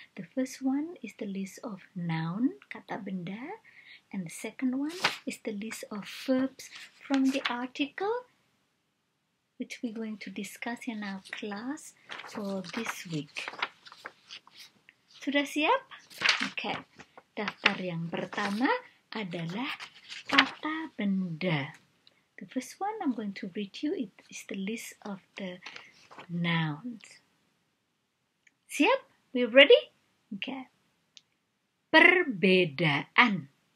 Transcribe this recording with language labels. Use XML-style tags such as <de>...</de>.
<en>The first one is the list of noun,</en> <id>kata benda.</id> <en>And the second one is the list of verbs from the article which we're going to discuss in our class for this week.</en> <id>Sudah siap? Oke. Okay. Daftar yang pertama adalah kata benda.</id> <en>The first one I'm going to read you is the list of the nouns.</en> <id>Siap?</id> <en>We ready?</en> <id>Oke. Okay. Perbedaan.</id>